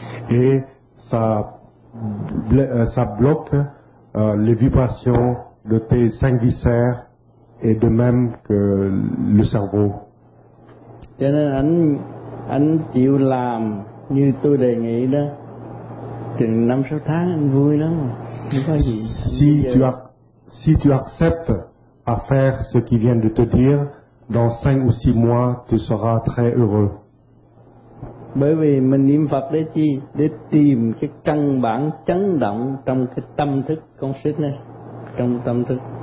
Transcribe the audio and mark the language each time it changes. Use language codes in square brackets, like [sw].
[fr] Et ça bloque les vibrations de tes cinq viscères et de même que le cerveau. [vi] Cho nên anh chịu làm như tôi đề nghị đó, chừng 5-6 tháng anh vui lắm. [fr] Si tu acceptes à faire ce qu'il vient de te dire, dans 5 ou 6 mois, tu seras très heureux. [vi] Bởi vì mình niệm Phật để chi? Để tìm cái căn bản chấn động trong cái tâm thức consciousness, trong tâm thức.